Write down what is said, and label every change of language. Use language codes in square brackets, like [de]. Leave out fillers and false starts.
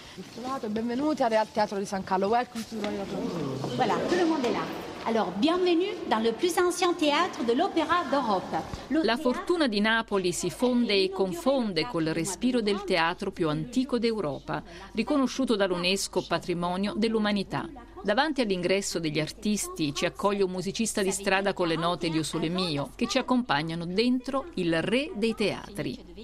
[it] Bentrovato, benvenuti al Teatro di San Carlo. [en] Welcome to Royal Opera. [fr] Voilà, tout le monde est là. Alors, bienvenue dans le plus ancien théâtre de l'opéra d'Europe. [it] La fortuna di Napoli si fonde e confonde col respiro del teatro più antico d'Europa, riconosciuto dall'UNESCO Patrimonio dell'Umanità. Davanti all'ingresso degli artisti ci accoglie un musicista di strada con le note di O Sole Mio che ci accompagnano dentro il re dei teatri.